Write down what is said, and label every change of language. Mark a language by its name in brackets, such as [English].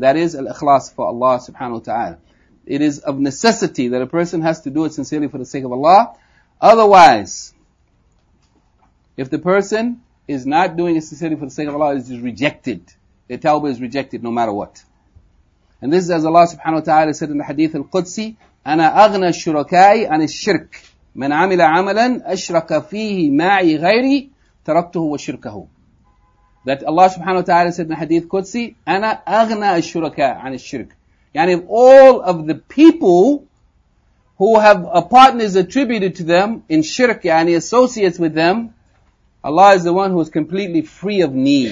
[English] That is al-ikhlas for Allah subhanahu wa ta'ala. It is of necessity that a person has to do it sincerely for the sake of Allah. Otherwise, if the person is not doing it sincerely for the sake of Allah, it is rejected. The tawbah is rejected no matter what. And this is as Allah subhanahu wa ta'ala said in the hadith al-Qudsi, [Arabic] أَنَا أَغْنَى الشُّرَكَاءِ عَنِ الشِّرْكِ مَنْ عَمِلَ عَمَلًا أَشْرَكَ فِيهِ مَعِي غَيْرِي تَرَكْتُهُ وَشِرْكَهُ. [English] That Allah subhanahu wa ta'ala said in the hadith Qudsi, [Arabic] أَنَا أَغْنَى الشُّرَكَاءِ عَنِ الشِّرْكِ. [English] Yani of all of the people who have a partners attributed to them in shirk, yani associates with them, Allah is the one who is completely free of need.